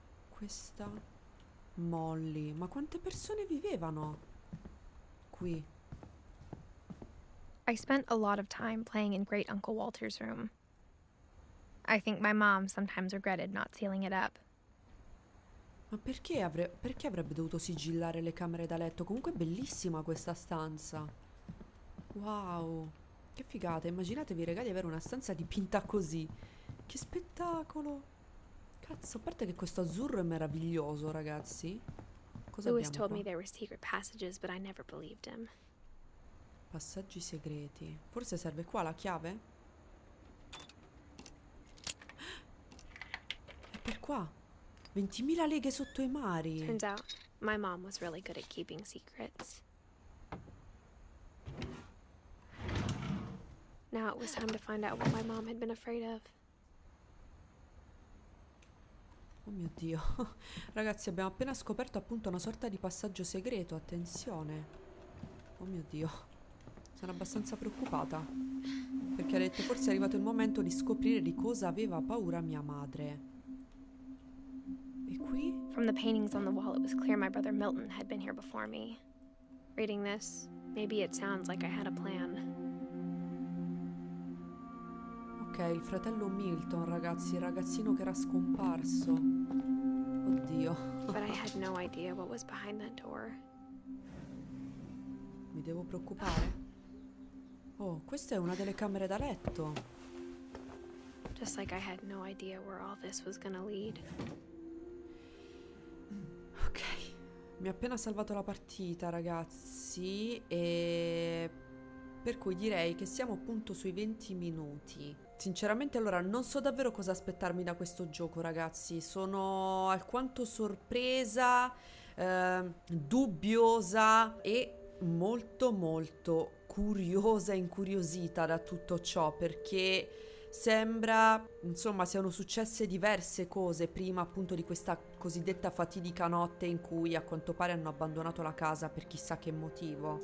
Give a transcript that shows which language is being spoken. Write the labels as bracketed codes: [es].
[it] Questa. Molly. Ma quante persone vivevano qui? [en] I spent a lot of time playing in great uncle Walter's room. I think my mom sometimes regretted not sealing it up. [it] Ma perché avrebbe dovuto sigillare le camere da letto? Comunque è bellissima questa stanza. Wow. Che figata. Immaginatevi, ragazzi, avere una stanza dipinta così. Che spettacolo. Cazzo, a parte che questo azzurro è meraviglioso, ragazzi. Cosa abbiamo qua? [en] Told me there were secret passages, but I never believed him. [it] Passaggi segreti. Forse serve qua la chiave? È per qua. 20.000 leghe sotto i mari. [en] Turns out my mom was really good at keeping secrets. Now it was time to find out what my mom had been afraid of. [it] Oh mio Dio. Ragazzi, abbiamo appena scoperto appunto una sorta di passaggio segreto. Attenzione. Oh mio Dio. Sono abbastanza preoccupata. Perché ha detto forse è arrivato il momento di scoprire di cosa aveva paura mia madre. E qui? [en] From the paintings on the wall it was clear my brother Milton had been here before me. Reading this, maybe it sounds like I had a plan. [it] Ok, il fratello Milton, ragazzi, il ragazzino che era scomparso. Oddio. [en] But I had no idea what was behind that door. [it] Mi devo preoccupare? Oh, questa è una delle camere da letto. [en] Just like I had no idea where all this was gonna lead. [it] Ok, mi ha appena salvato la partita, ragazzi, e per cui direi che siamo appunto sui 20 minuti. Sinceramente, allora, non so davvero cosa aspettarmi da questo gioco, ragazzi. Sono alquanto sorpresa, dubbiosa e molto molto curiosa e incuriosita da tutto ciò, perché sembra, insomma, siano successe diverse cose prima appunto di questa cosiddetta fatidica notte in cui a quanto pare hanno abbandonato la casa per chissà che motivo.